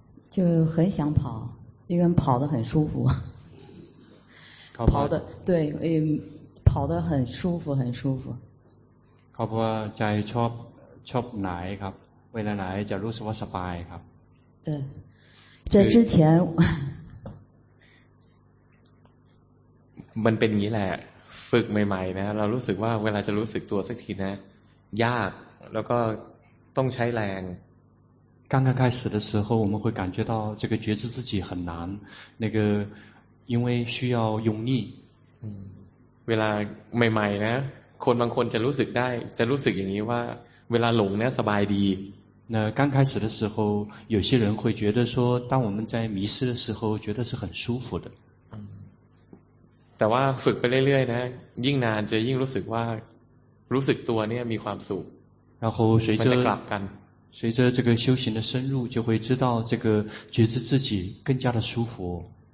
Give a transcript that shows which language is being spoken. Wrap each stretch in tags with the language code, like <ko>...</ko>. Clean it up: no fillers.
<zh>就很想跑，因为跑得很舒服。跑的对，跑得很舒服，很舒服。</zh> <th>ขอบคุณใจชอบไหนครับเวลาไหนจะรู้สึกว่าสบายครับ</th> <zh>对，在之前。</zh> <th>มันเป็นอย่างนี้แหละฝึกใหม่ๆนะเรารู้สึกว่าเวลาจะรู้สึกตัวสักทีนะยากแล้วก็ต้องใช้แรง</th> <zh>刚刚开始的时候我们会感觉到这个觉知自己很难那个因为需要用力</zh> <th>เวลาใหม่ๆนะคนบางคนจะรู้สึกได้จะรู้สึกอย่างนี้ว่าเวลาหลงเนี่ยสบายดี</th> <zh>那刚开始的时候有些人会觉得说当我们在迷失的时候觉得是很舒服的</zh> <th>แต่ว่าฝึกไปเรื่อยๆนะยิ่งนานจะยิ่งรู้สึกว่ารู้สึกตัวเนี่ยมีความสุข</th> <zh>然后随着</zh> <th>มันจะกลับกัน</th> <zh>随着这个修行的深入就会知道这个觉知自己更加的舒服</zh>